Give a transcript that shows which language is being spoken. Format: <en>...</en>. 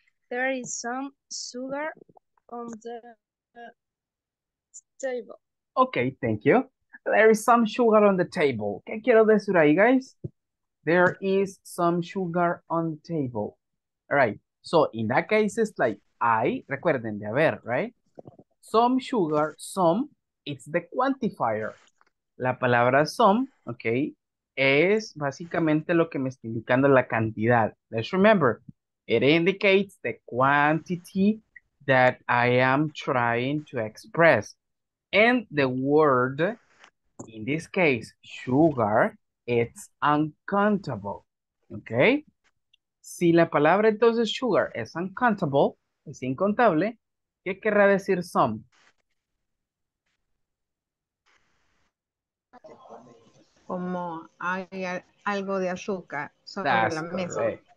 <en>There is some sugar on the table. Okay, thank you. There is some sugar on the table.</en> <es>¿Qué quiero decir ahí,</es> <en>guys? There is some sugar on the table. All right. So, in that case, it's like,</en> <es>hay, recuerden de haber,</es> <en>right? Some sugar, some, it's the quantifier.</en> <es>La palabra some, okay, es básicamente lo que me está indicando la cantidad.</es> <en>Let's remember, it indicates the quantity that I am trying to express. And the word, in this case, sugar, it's uncountable, okay?</en> <es>Si la palabra entonces sugar es uncountable, es incontable, ¿qué querrá decir some? Como hay algo de azúcar sobre</es> <en>That's</en> <es>la</es> <en>correct.</en> <es>Mesa.</es>